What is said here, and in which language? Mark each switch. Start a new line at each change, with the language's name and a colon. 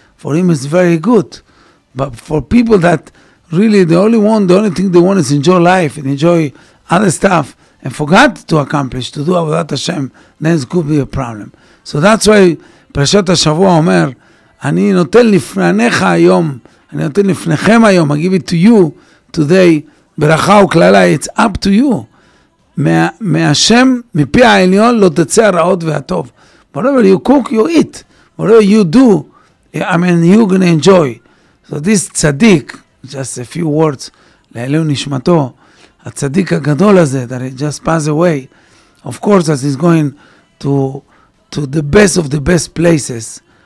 English: For him, it's very good. But for people that really the only thing they want is enjoy life and enjoy other stuff and forgot to accomplish, to do without Hashem, then it could be a problem. So that's why Parashat HaShavua Omer, I'm giving it to you today,
Hebrew: ברכה וכללה,
English: it's up to you.
Hebrew: מהשם, מפי העליון, לא תצא הרעות והטוב.
English: Whatever you cook, you eat. Whatever you do, I mean, you're going to enjoy. So this tzaddik, just a few words,
Hebrew: לאלו נשמתו, הצדיק הגדול הזה,
English: that he just passed away, of course, as he's going to the best of the best places.